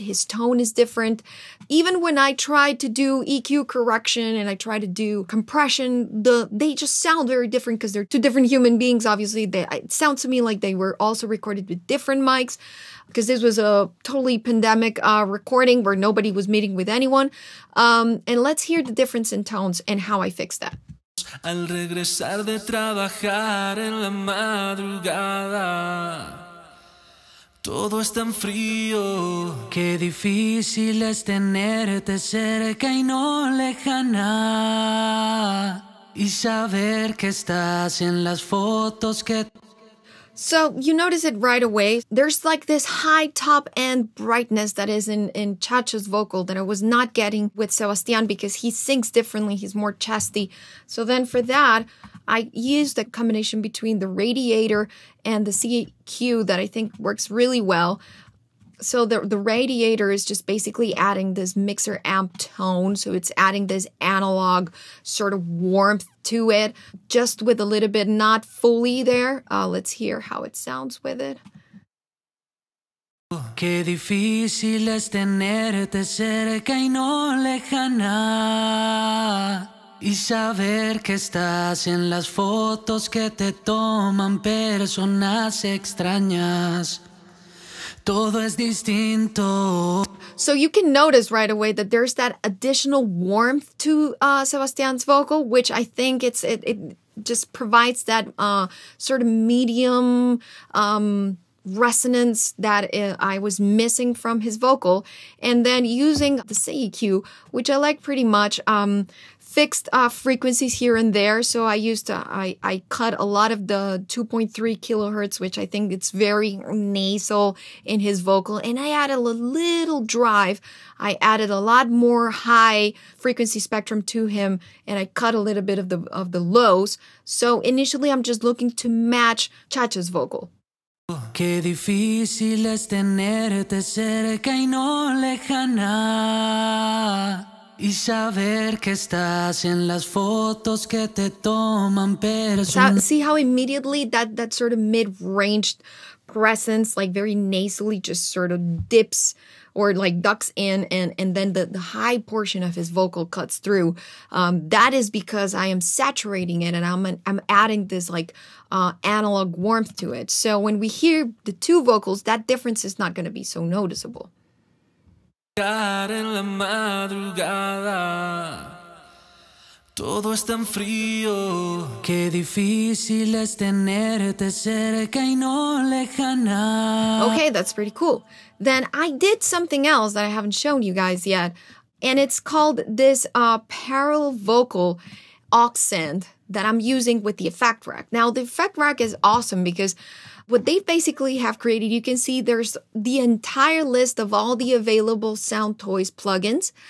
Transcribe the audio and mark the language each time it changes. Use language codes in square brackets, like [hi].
[en] His tone is different. Even when I try to do EQ correction and I try to do compression, they just sound very different because they're two different human beings. Obviously, it sounds to me like they were also recorded with different mics, because this was a totally pandemic recording where nobody was meeting with anyone. And let's hear the difference in tones and how I fixed that. [es] Al regresar de trabajar en la madrugada, todo es tan frío. Qué difícil es tenerte cerca y no lejana, y saber que estás en las fotos que... [en] So you notice it right away. There's like this high top end brightness that is in Chacha's vocal that I was not getting with Sebastian, because he sings differently. He's more chesty. So then for that, I used a combination between the radiator and the CQ that I think works really well. So the radiator is just basically adding this mixer amp tone. So it's adding this analog sort of warmth to it, just with a little bit, not fully there. Let's hear how it sounds with it. [es] Qué difícil es tenerte cerca y no lejana, y saber que estás en las fotos que te toman personas extrañas. Todo es distinto. [en] So you can notice right away that there's that additional warmth to Sebastian's vocal, which I think it just provides that sort of medium resonance that I was missing from his vocal. And then using the CEQ, which I like pretty much, fixed frequencies here and there. So I used to, I cut a lot of the 2.3 kilohertz, which I think it's very nasal in his vocal. And I added a little drive. I added a lot more high frequency spectrum to him, and I cut a little bit of the lows. So initially I'm just looking to match Chacha's vocal. [es] Qué difícil es tenerte cerca y no lejana, y saber que estás en las fotos que te toman personas. [en] See how immediately that sort of mid-range presence, like very nasally, just sort of dips or like ducks in, and then the high portion of his vocal cuts through. That is because I am saturating it, and I'm adding this like analog warmth to it. So when we hear the two vocals, that difference is not going to be so noticeable. [es] En la madrugada, todo es tan frío. Qué difícil es tenerte cerca y no lejana. [en] Okay, that's pretty cool. Then I did something else that I haven't shown you guys yet, and it's called this parallel vocal accent that I'm using with the effect rack. Now, the effect rack is awesome because what they basically have created, you can see there's the entire list of all the available Soundtoys plugins.